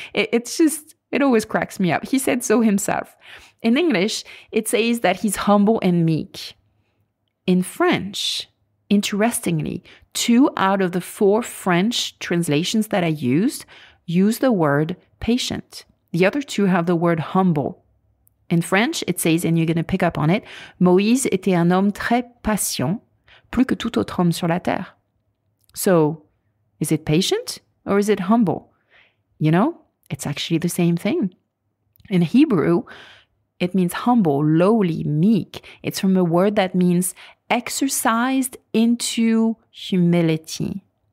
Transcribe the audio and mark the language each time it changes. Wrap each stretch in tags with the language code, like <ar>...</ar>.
<en>It always cracks me up. He said so himself. In English, it says that he's humble and meek. In French, interestingly, two out of the four French translations that I used use the word patient. The other two have the word humble. In French, it says, and you're going to pick up on it,</en> <fr>Moïse était un homme très patient, plus que tout autre homme sur la terre.</fr> <en>So, is it patient or is it humble? You know? It's actually the same thing. In Hebrew, it means humble, lowly, meek. It's from a word that means exercised into humility.</en>